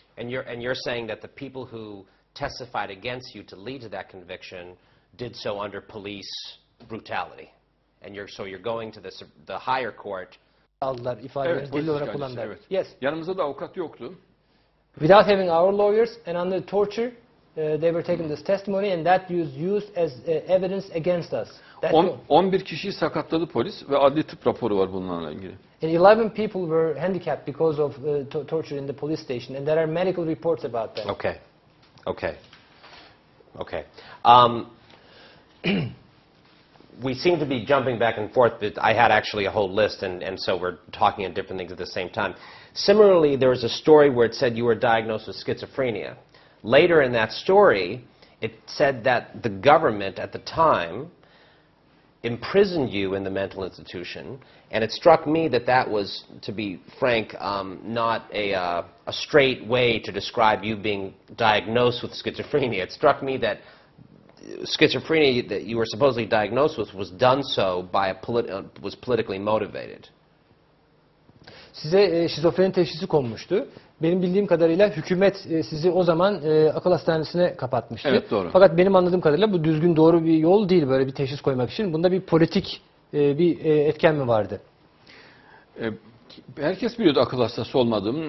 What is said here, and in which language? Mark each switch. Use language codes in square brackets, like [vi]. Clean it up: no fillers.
[en] And you're saying that the people who testified against you to lead to that conviction did so under police brutality, and you're going to the higher court. [tr] Aldılar ifadeleri evet, dilli olarak kullandılar. Evet. [en] Yes. [tr] Yanımızda da avukat yoktu. [en] Without having our lawyers and under torture, they were taking this testimony and that used as evidence against us. [tr] 11 kişiyi sakatladı polis ve adli tıp raporu var bunlarla ilgili. [en] And 11 people were handicapped because of torture in the police station, and there are medical reports about that. Okay. Okay. Okay. we seem to be jumping back and forth, but I had actually a whole list, and so we're talking on different things at the same time. Similarly, there was a story where it said you were diagnosed with schizophrenia. Later in that story, it said that the government at the time imprisoned you in the mental institution, and it struck me that that was, to be frank, not a straight way to describe you being diagnosed with schizophrenia. It struck me that schizophrenia that you were supposedly diagnosed with was done so by was politically motivated. [tr] Size şizofreni teşhisi konmuştu. Benim bildiğim kadarıyla hükümet sizi o zaman akıl hastanesine kapatmıştı. Evet, doğru. Fakat benim anladığım kadarıyla bu düzgün doğru bir yol değil böyle bir teşhis koymak için. Bunda bir politik bir etken mi vardı? Herkes biliyordu akıl hastası olmadığım.